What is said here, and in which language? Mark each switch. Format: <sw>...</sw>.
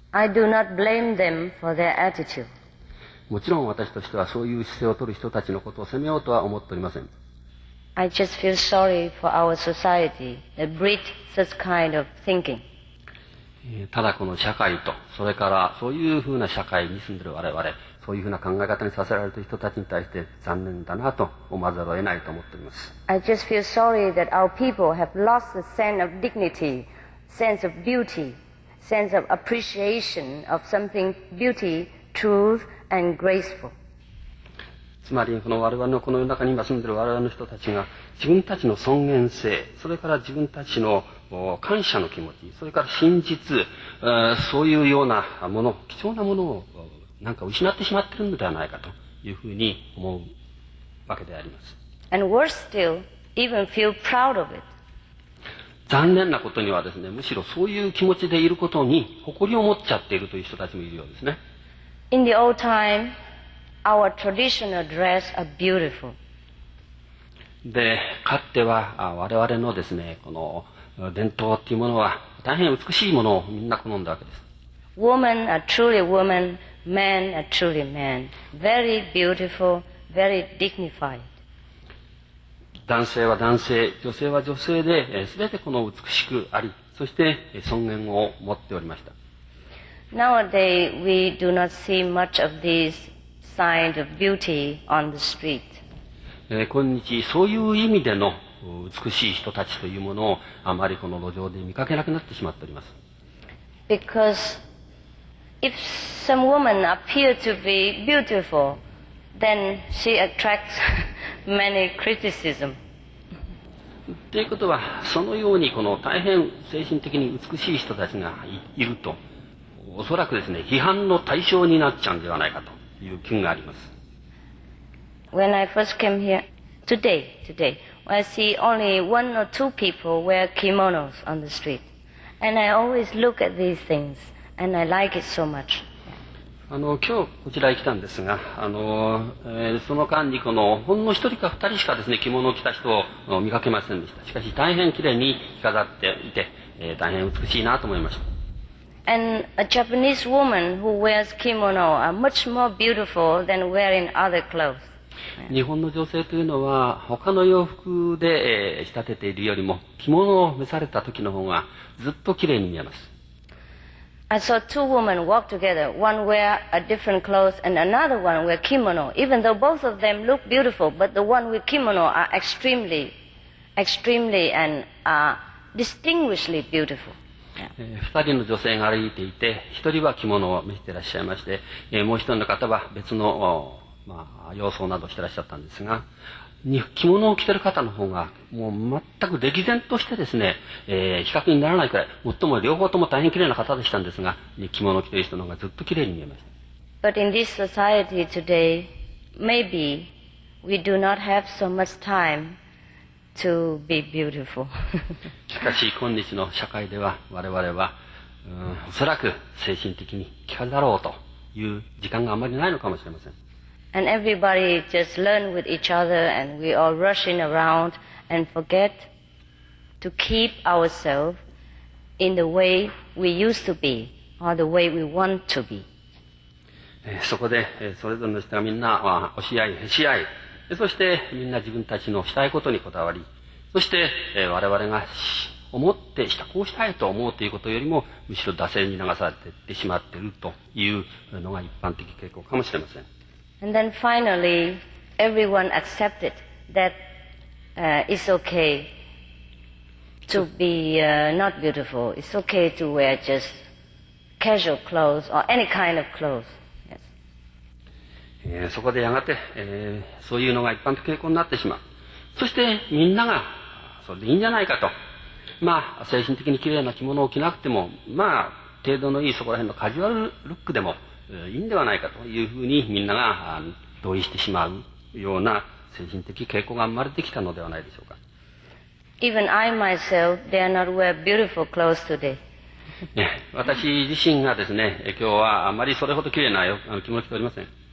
<en>I do not blame them for their attitude.</en> <ja>もちろん私としては、そういう姿勢を取る人たちのことを責めようとは思っておりません。</ja> <en>I just feel sorry for our society that breeds such kind of thinking.</en> <ja>ただこの社会と、それからそういうふうな社会に住んでいる我々、そういうふうな考え方にさせられている人たちに対して残念だなと思わざるを得ないと思っています。</ja> <en>I just feel sorry that our people have lost the sense of dignity, sense of beauty, sense of appreciation of something beauty truth and graceful.</en> <ja>つまりこの我々のこの世の中に今住んでいる我々の人たちが自分たちの尊厳性、それから自分たちの感謝の気持ち、それから真実、そういうようなもの、貴重なものをなんか失ってしまっているのではないかというふうに思うわけであります。</ja> <en>And worse still, even feel proud of it.</en> <ja>残念なことにはですね、むしろそういう気持ちでいることに誇りを持っちゃっているという人たちもいるようですね。</ja> <en>In the old time, our traditional dress are beautiful.</en> <ja>で、かっては我々のですね、この伝統っていうものは大変美しいものをみんな好んだわけです。</ja> <en>Women are truly women, men are truly men. Very beautiful, very dignified.</en> <ja>男性は男性、女性は女性で、全てこの美しくあり、そして尊厳を持っておりました。</ja> <en>Nowadays, we do not see much of these signs of beauty on the street.</en> <ja>今日、そういう意味での美しい人たちというものを、あまりこの路上で見かけなくなってしまっております。</ja> <en>Because if some woman appears to be beautiful,Then she attracts many criticism.</en> <ja>ということは、そのようにこの大変精神的に美しい人たちが いると、おそらくですね、批判の対象になっちゃうんではないかという気があります。</ja> <en>When I first came here today, I see only one or two people wear kimonos on the street. And I always look at these things, and I like it so much.</en> <ja>今日こちらへ来たんですが、その間にこのほんの一人か二人しかですね、着物を着た人を見かけませんでした。しかし大変きれいに着飾っていて、大変美しいなと思いました。</ja> <en>And a Japanese woman who wears kimono are much more beautiful than wearing other clothes.</en> <ja>日本の女性というのは他の洋服で仕立てているよりも着物を召された時の方がずっときれいに見えます。</ja> <en>I saw two women walk together, one wear a different clothes and another one wear kimono, even though both of them look beautiful, but the one with kimono are extremely and distinguishedly beautiful.</en> <ja>二人の女性が歩いていて、一人は着物を見せてらっしゃいまして、もう一人の方は別の、洋装などしてらっしゃったんですが、着物を着ている方の方がもう全く歴然としてですね、比較にならないくらい、最も両方とも大変綺麗な方でしたんですが、着物を着ている人の方がずっと綺麗に見えました。</ja> <en>But in this society today, maybe we do not have so much time to be beautiful.</en> <ja>しかし今日の社会では我々は、おそらく精神的に着飾ろうという時間があまりないのかもしれません。</ja> <en>And everybody just learn with each other, and we all rushing around and forget to keep ourselves in the way we used to be or the way we want to be.</en> <ja>そこで、それぞれの人がみんな、押し合い、へし合い、そしてみんな自分たちのしたいことにこだわり、そして、我々が思ってした、こうしたいと思うということよりも、むしろ惰性に流されていってしまっているというのが一般的傾向かもしれません。</ja> <en>And then finally, everyone accepted that it's okay to be not beautiful. It's okay to wear just casual clothes or any kind of clothes. Yes.</en> <ja>そこでやがて、そういうのが一般的傾向になってしまう。そしてみんながそれでいいんじゃないかと。精神的に綺麗な着物を着なくても、程度のいいそこら辺のカジュアルルックでも、いいんではないかというふうにみんなが同意してしまうような精神的傾向が生まれてきたのではないでしょうか。</ja> <en>Even I myself dare not wear beautiful clothes today.</en> <ja>私自身がですね、今日はあまりそれほど綺麗な着物を着ておりません。</ja>